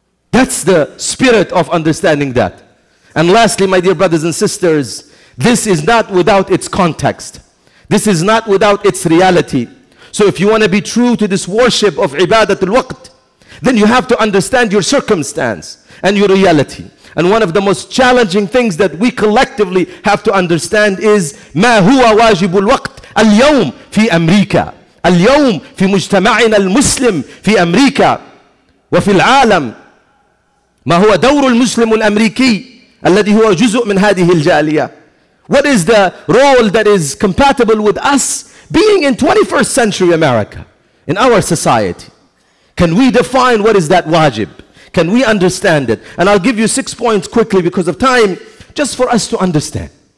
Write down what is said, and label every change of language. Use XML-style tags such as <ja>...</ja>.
<en>That's the spirit of understanding that. And lastly, my dear brothers and sisters, this is not without its context. This is not without its reality. So if you want to be true to this worship of ibadatul waqt, then you have to understand your circumstance and your reality. And one of the most challenging things that we collectively have to understand is</en> <ar>ما هو واجب الوقت اليوم في أمريكا اليوم في مجتمعنا المسلم في أمريكا وفي العالم ما هو دور المسلم الأمريكي الذي هو جزء من هذه الجالية.</ar> <en>What is the role that is compatible with us being in 21st century America, in our society? Can we define what is that wajib? Can we understand it? And I'll give you 6 points quickly because of time, just for us to understand.</en>